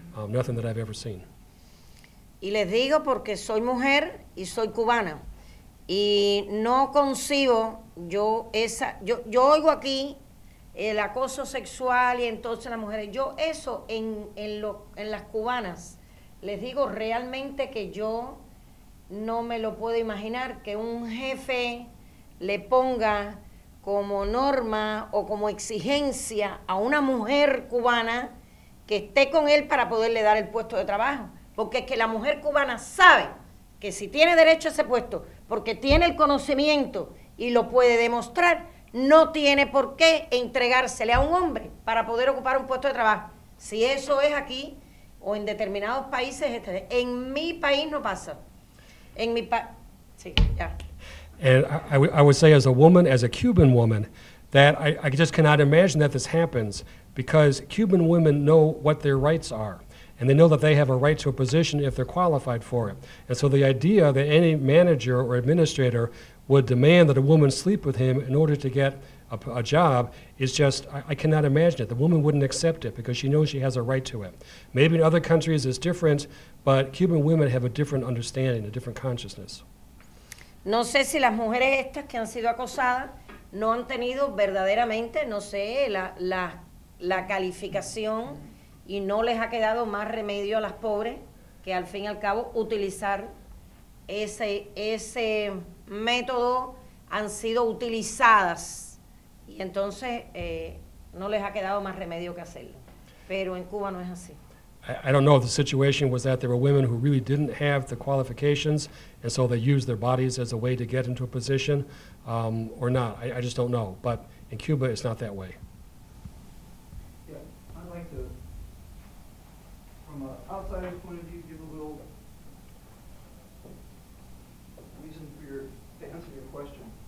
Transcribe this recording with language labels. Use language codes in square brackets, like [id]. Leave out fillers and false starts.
[en] Nothing that I've ever seen. [es] Y les digo porque soy mujer y soy cubana. Y no concibo yo oigo aquí el acoso sexual y entonces las mujeres. Yo eso en las cubanas, les digo realmente que yo no me lo puedo imaginar que un jefe le ponga como norma o como exigencia a una mujer cubana que esté con él para poderle dar el puesto de trabajo. Porque es que la mujer cubana sabe que si tiene derecho a ese puesto, porque tiene el conocimiento y lo puede demostrar, no tiene por qué entregársele a un hombre para poder ocupar un puesto de trabajo. Si eso es aquí o en determinados países, en mi país no pasa. En mi país, sí, ya. [en] And I would say as a woman, as a Cuban woman, that I just cannot imagine that this happens because Cuban women know what their rights are. And they know that they have a right to a position if they're qualified for it. And so the idea that any manager or administrator would demand that a woman sleep with him in order to get a job is just, I cannot imagine it. The woman wouldn't accept it because she knows she has a right to it. Maybe in other countries it's different, but Cuban women have a different understanding, a different consciousness. [es] No sé si las mujeres estas que han sido acosadas no han tenido verdaderamente, no sé, la calificación y no les ha quedado más remedio a las pobres que al fin y al cabo utilizar ese método, han sido utilizadas y entonces no les ha quedado más remedio que hacerlo. Pero en Cuba no es así. [en] I don't know if the situation was that there were women who really didn't have the qualifications and so they used their bodies as a way to get into a position or not. I just don't know. But in Cuba, it's not that way. Yeah, I'd like to, from an outsider's point of view, give a little reason to answer your question.